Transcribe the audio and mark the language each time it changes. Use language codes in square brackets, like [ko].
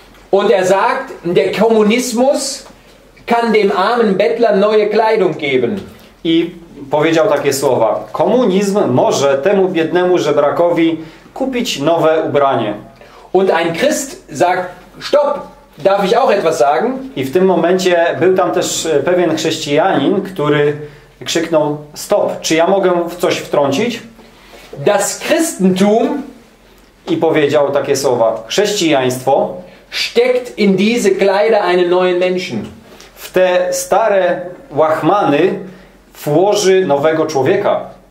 [de] Und er sagt, der Kommunismus kann dem armen Bettler neue Kleidung geben. [pl] I powiedział takie słowa: komunizm może temu biednemu żebrakowi kupić nowe ubranie. [de] Und ein Christ sagt: Stopp, darf ich auch etwas sagen? [pl] I w tym momencie był tam też pewien chrześcijanin, który krzyknął: Stop, czy ja mogę w coś wtrącić? [de] Das Christentum, [pl] i powiedział takie słowa: chrześcijaństwo [de] steckt in diese Kleider einen neuen Menschen. [pl] W te stare łachmany włoży nowego człowieka.